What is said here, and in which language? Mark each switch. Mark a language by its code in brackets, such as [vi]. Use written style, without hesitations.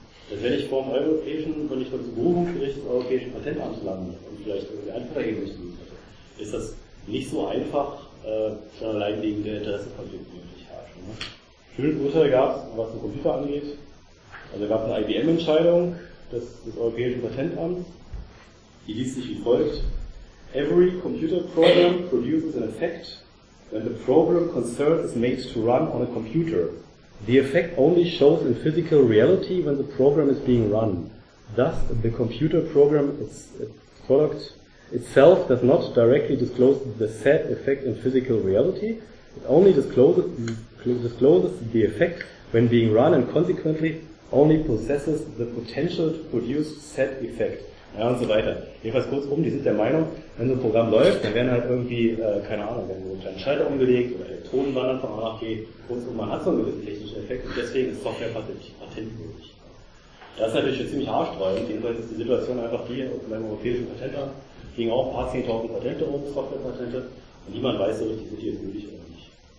[de] Das wäre nicht vor dem Europäischen, wenn ich vor dem Berufungsgericht des Europäischen Patentamts lande und vielleicht irgendwie einfach dagegen nicht gehen würde, ist das nicht so einfach, allein wegen der Interessenkonflikte, die ich herrsche. Ne? Schönes Urteil gab es, was den Computer angeht. Also gab es eine IBM-Entscheidung des Europäischen Patentamts. Die liest sich wie folgt. [en] Every computer program produces an effect when the program concerned is made to run on a computer. The effect only shows in physical reality when the program is being run. Thus, the computer program, its product, itself does not directly disclose the said effect in physical reality. It only discloses the effect when being run and consequently only possesses the potential to produce said effect. [de] Ja, und so weiter. Jedenfalls kurzum, die sind der Meinung, wenn so ein Programm läuft, dann werden halt irgendwie, keine Ahnung, werden so ein Schalter umgelegt oder Elektronen wandern von A nach B. Kurzum, man hat so einen gewissen technischen Effekt und deswegen ist Software patentmöglich. Das ist natürlich ziemlich haarsträubend. Jedenfalls ist die Situation einfach die, beim europäischen Patentamt gingen auch ein paar 10.000 Patente um, Softwarepatente, und niemand weiß so richtig, sind die jetzt gültig oder nicht.